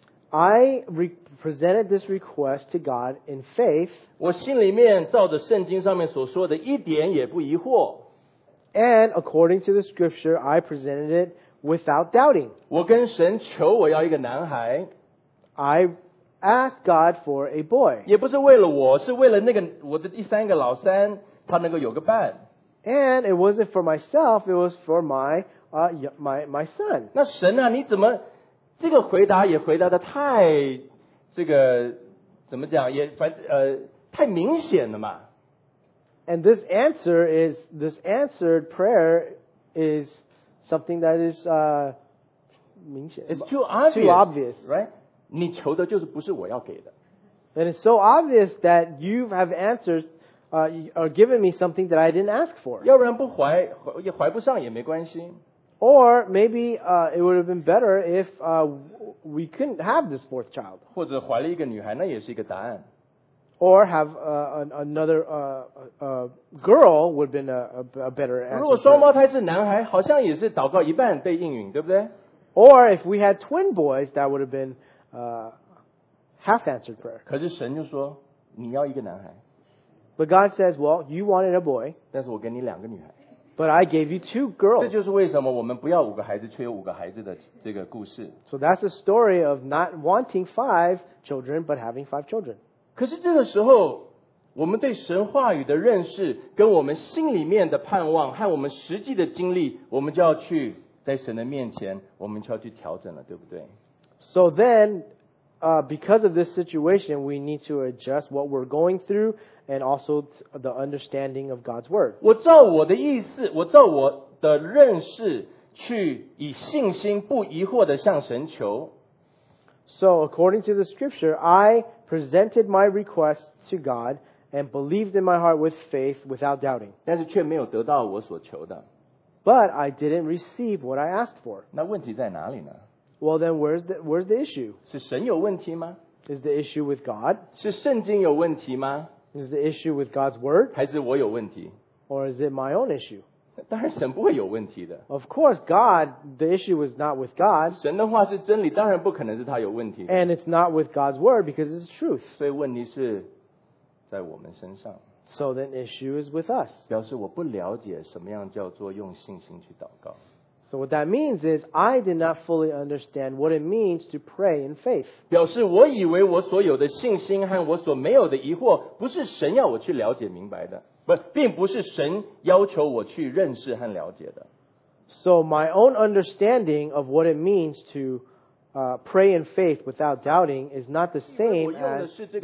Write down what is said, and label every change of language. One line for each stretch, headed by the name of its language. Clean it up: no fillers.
English: I presented this request to God in faith.
Chinese: 我心里面照着圣经上面所说的一点也不疑惑,
English: and according to the scripture, I presented it without doubting.
Chinese: 我跟神求我要一个男孩,
English: I asked God for a boy.
Chinese: 也不是为了我, 是为了那个我的第三个老三, 他能够有个伴。
English: And it wasn't for myself, it was for my son.
Chinese: 那神啊, 你怎么, 这个回答也回答得太, 这个, 怎么讲, 也, 太明显了嘛。
English: And this answer is, this answered prayer is something that is,
Chinese: 明显,
English: it's too obvious, too obvious, right?
Chinese: 你求的就是不是我要给的。
English: And it's so obvious that you have answered, or given me something that I didn't ask for.
Chinese: 要不然不怀, 怀不上也没关系。
English: Or maybe it would have been better if we couldn't have this fourth child.
Chinese: 或者怀了一个女孩, 那也是一个答案。
English: Or have another girl would have been a better answer.
Chinese: 如果双胞胎是男孩, 好像也是祷告一半被应允，对不对?
English: Or if we had twin boys, that would have been half answered prayer.
Chinese: 可是神就说, 你要一个男孩。
English: But God says, well, you wanted a boy.
Chinese: 但是我给你两个女孩。
English: But I gave you two girls.
Chinese: 这就是为什么我们不要五个孩子，却有五个孩子的这个故事。
English: So that's the story of not wanting five children, but having five children.
Chinese: 可是这个时候，我们对神话语的认识，跟我们心里面的盼望，和我们实际的经历，我们就要去在神的面前，我们就要去调整了，对不对？
English: So then, because of this situation, we need to adjust what we're going through and also the understanding of God's word.
Chinese: 我照我的意思，我照我的认识。去以信心不疑惑地向神求。
English: So according to the scripture, I presented my request to God and believed in my heart with faith without doubting.
Chinese: 但是却没有得到我所求的。
English: But I didn't receive what I asked for.
Chinese: 那问题在哪里呢?
English: Well then, where's the issue?
Chinese: 是神有问题吗?
English: Is the issue with God?
Chinese: 是圣经有问题吗?
English: Is the issue with God's word?
Chinese: 还是我有问题?
English: Or is it my own issue?
Chinese: 当然神不会有问题的。
English: Of course, God, the issue was not with God.
Chinese: 神的话是真理, 当然不可能是他有问题的。
English: And it's not with God's word because it's truth.
Chinese: 所以问题是在我们身上。
English: So the issue is with us.
Chinese: 表示我不了解什么样叫做用信心去祷告。
English: So what that means is I did not fully understand what it means to pray in faith.
Chinese: 表示我以为我所有的信心和我所没有的疑惑不是神要我去了解明白的。
English: So my own understanding of what it means to pray in faith without doubting is not the same as